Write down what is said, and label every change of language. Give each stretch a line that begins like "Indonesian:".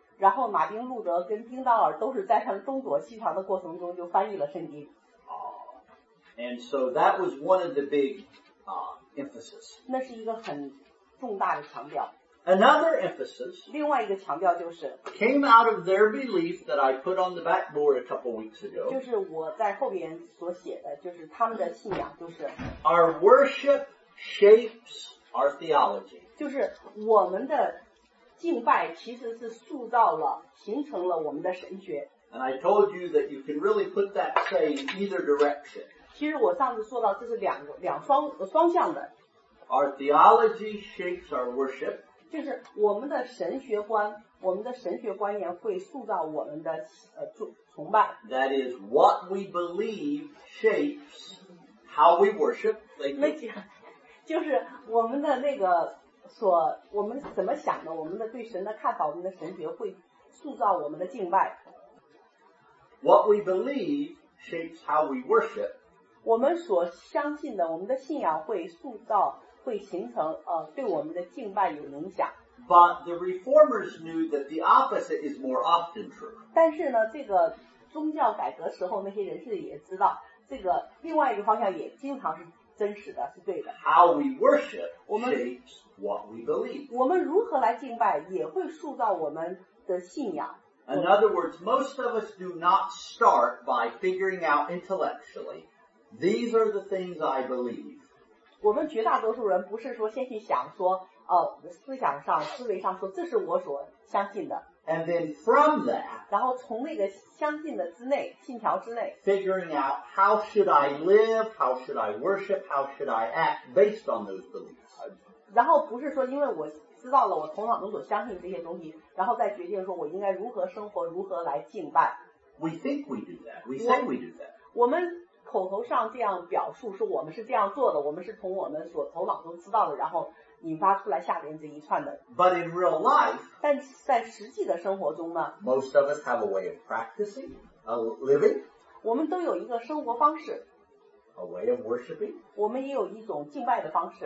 Chinese: 然后马丁路德跟丁道尔都是在他们东躲西藏的过程中就翻译了圣经。
English: And so that was one of the big emphasis.
Chinese: 那是一个很重大的强调。
English: Another emphasis
Chinese: 另外一个强调就是
English: came out of their belief that I put on the backboard a couple weeks ago.
Chinese: 就是我在后边所写的就是他们的信仰就是
English: Our worship shapes our theology.
Chinese: 就是我们的敬拜其实是塑造了形成了我们的神学。
English: And I told you that you can really put that say in either direction.
Chinese: 其实我上次说到这是双向的。
English: Our theology shapes our worship.
Chinese: 就是我们的神学观，我们的神学观念会塑造我们的崇拜。
English: That is what we believe shapes how we worship.
Chinese: 那就是我们的那个我们怎么想的，我们的对神的看法，我们的神学会塑造我们的敬拜。
English: What we believe shapes how we worship.
Chinese: 我们所相信的，我们的信仰会塑造。会形成对我们的敬拜有影响。
English: But the reformers knew that the opposite is more often true.
Chinese: 但是呢，这个宗教改革时候，那些人士也知道，这个另外一个方向也经常是真实的，是对的。
English: How we worship shapes what we believe.
Chinese: 我们如何来敬拜，也会塑造我们的信仰。
English: In other words, most of us do not start by figuring out intellectually. These are the things I believe.
Chinese: 我们绝大多数人不是说先去想说思想上思维上说这是我所相信的。
English: And then from that,
Chinese: 然后从那个相信的之内信条之内
English: figuring out how should I live, how should I worship, how should I act based on those beliefs.
Chinese: 然后不是说因为我知道了我头脑中所相信这些东西然后再决定说我应该如何生活如何来敬拜。
English: We think we do that. We say we do that.
Chinese: 我们口头上这样表述说我们是这样做的我们是从我们所头脑中知道的然后引发出来下面这一串的
English: But in real life,
Chinese: 但在实际的生活中呢
English: most of us have a way of practicing, a living,
Chinese: 我们都有一个生活方式
English: a way of worshiping,
Chinese: 我们也有一种敬拜的方式